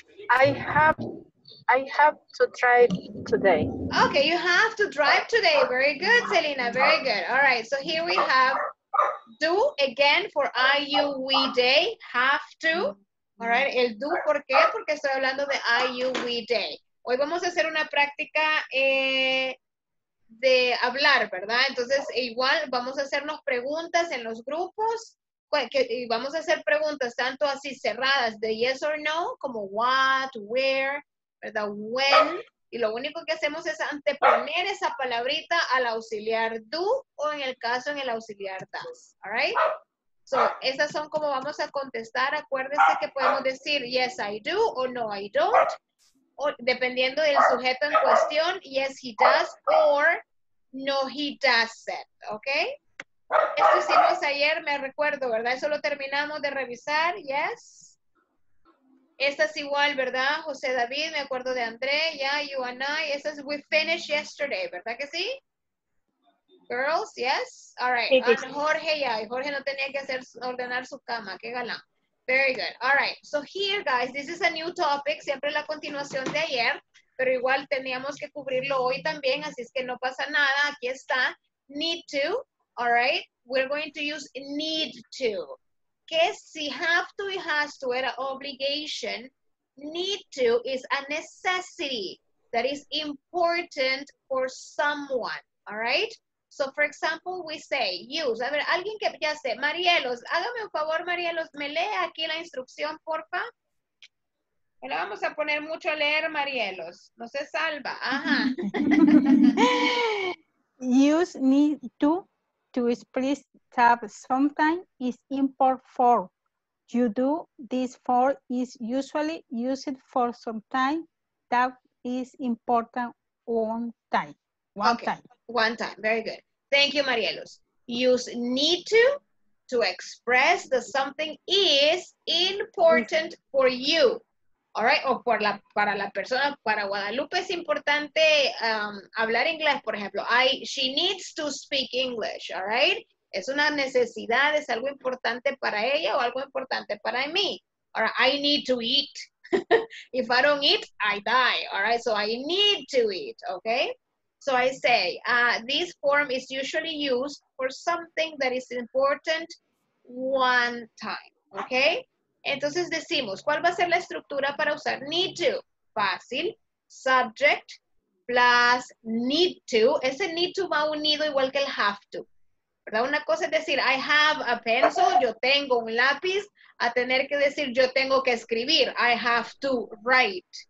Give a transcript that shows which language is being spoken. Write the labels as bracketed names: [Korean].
[English] I have to drive today. Okay, you have to drive today. Very good, Selena, very good. All right, so here we have do again for I, you, we, they, have to. All right, [Spanish] el do, ¿por qué? Porque estoy hablando de [English] I, you, we, they. [Spanish] Hoy vamos a hacer una práctica de hablar, ¿verdad? Entonces, igual vamos a hacernos preguntas en los grupos y vamos a hacer preguntas tanto así cerradas de [English] yes or no, [Spanish] como what, where, ¿verdad? When. Y lo único que hacemos es anteponer esa palabrita al auxiliar do o en el caso en el auxiliar does. [English] All right? So, [Spanish] esas son como vamos a contestar. Acuérdense que podemos decir [English] yes, I do [Spanish] o [English] no, I don't. [Spanish] O, dependiendo del sujeto en cuestión, [English] yes, he does, or no, he doesn't, ¿ok? [Spanish] Esto hicimos ayer, me recuerdo, ¿verdad? Eso lo terminamos de revisar, yes. Esta es igual, ¿verdad? José David, me acuerdo de André, [English] yeah, you and I. [Spanish] Esta es, [English] we finished yesterday, [Spanish] ¿verdad que sí? [English] Girls, yes. All right, [Spanish] Jorge, yeah. Jorge no tenía que hacer ordenar su cama, qué galán. [English] Very good. All right. So here, guys, this is a new topic. [Spanish] Siempre la continuación de ayer, pero igual teníamos que cubrirlo hoy también, así es que no pasa nada. Aquí está. [English] Need to. All right. We're going to use need to. [Spanish] Que si [English] have to y has to era obligation, need to is a necessity that is important for someone. All right. So, for example, we say, use. [Spanish] A ver, alguien que ya sé, Marielos, hágame un favor, Marielos, ¿me lee aquí la instrucción, porfa? Me la vamos a poner mucho a leer, Marielos. No se salva. Ajá. [English] Use need to split tab sometime is import for. You do this for is usually used for some time. That is important one time. One time. Very good. Thank you, Marielos. Use need to express that something is important for you. All right? [Spanish] O por la, para la persona, para Guadalupe es importante hablar inglés, por ejemplo. [English] She needs to speak English. All right? [Spanish] Es una necesidad, es algo importante para ella o algo importante para mí. [English] All right? I need to eat. If I don't eat, I die. All right? So I need to eat. Okay? So I say, this form is usually used for something that is important one time, okay? [Spanish] Entonces decimos, ¿cuál va a ser la estructura para usar need to? Fácil, subject plus need to. Ese need to va unido igual que el have to, ¿verdad? Una cosa es decir, [English] I have a pencil, [Spanish] yo tengo un lápiz, a tener que decir, yo tengo que escribir, [English] I have to write.